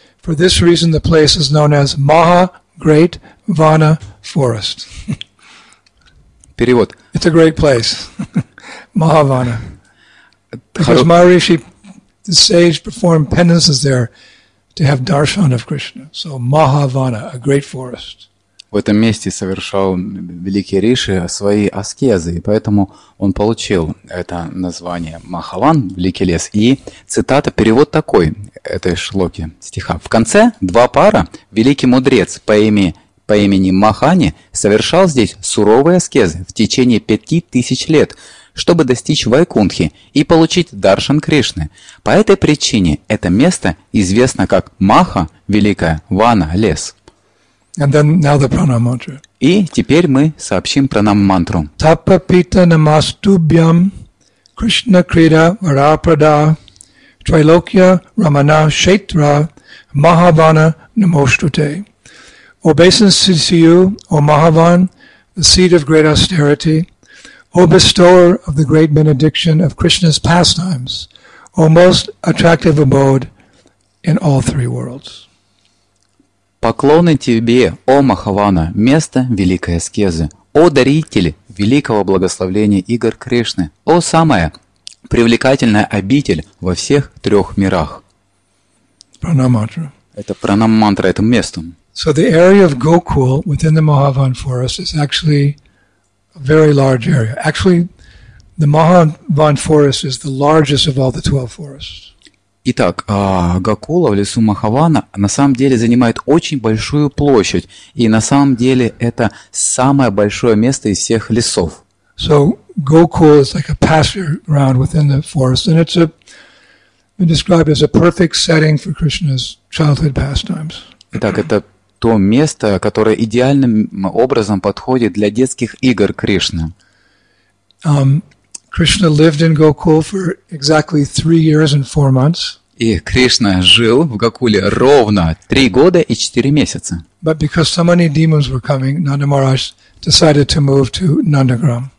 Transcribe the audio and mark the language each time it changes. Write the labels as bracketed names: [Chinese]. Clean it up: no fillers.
[English] For this reason, the place is known as Maha Great Vana Forest. [Russian] Перевод. [English] It's a great place. Mahavana. Because Maharishi, the sage, performed penances there to have darshan of Krishna. So Mahavana, a great forest. [Russian] В этом месте совершал великий Риши свои аскезы, и поэтому он получил это название Махаван, великий лес. И цитата, перевод такой этой шлоки стиха. В конце два пара великий мудрец по имени Махани совершал здесь суровые аскезы в течение 5000 лет, чтобы достичь Вайкунтхи и получить даршан Кришны. По этой причине это место известно как Маха, великая Вана, лес. [English] And then now the pranam mantra. [Russian] И теперь мы сообщим пранам мантру. [Sanskrit] Тапа пита намастубьям Кришна крида варапрада Трайлокья рамана шетра Махавана намоштуте. [English] Obeisance to you, O Mahavan, the seat of great austerity, O bestower of the great benediction of Krishna's pastimes, O most attractive abode in all three worlds. [Russian] Поклоны тебе, о Махавана, место великой аскезы, о даритель великого благословения игр Кришны, о самая привлекательная обитель во всех трех мирах. Пранам-мантра. Это пранам-мантра этому месту. [English] So the area of Gokul within the Mahavan forest is actually a very large area. Actually, the Mahavan forest is the largest of all the 12 forests. [Russian] Итак, Гокула в лесу Махавана на самом деле занимает очень большую площадь, и на самом деле это самое большое место из всех лесов. [English] So Gokul is like a pasture ground within the forest, and it's been described as a perfect setting for Krishna's childhood pastimes. [Russian] Итак, это то место, которое идеальным образом подходит для детских игр Кришны. [English] Krishna lived in Gokul for exactly 3 years and 4 months. [Russian] И Кришна жил в Гокуле ровно 3 года и 4 месяца. [English] But because so many demons were coming, Nanda Maharaj decided to move to Nandagram.